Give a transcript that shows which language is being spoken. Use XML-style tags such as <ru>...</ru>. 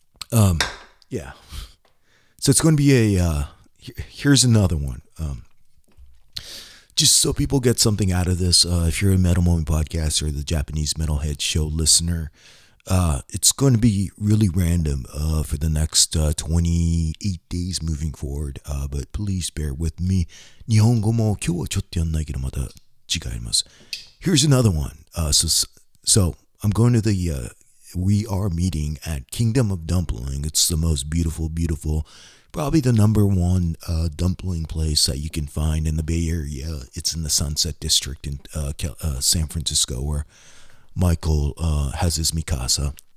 <en>So it's going to be here's another one. Just so people get something out of this, if you're a Metal Moment podcast or the Japanese Metalhead Show listener, it's going to be really random for the next 28 days moving forward. But please bear with me.</en> <ja>日本語も今日はちょっとやんないけどまた違います。</ja> <en>Here's another one. So I'm going to the we are meeting at Kingdom of Dumpling. It's the most beautiful, probably the number one dumpling place that you can find in the Bay Area. It's in the Sunset District in San Francisco, where Michael has his Mikasa.</en>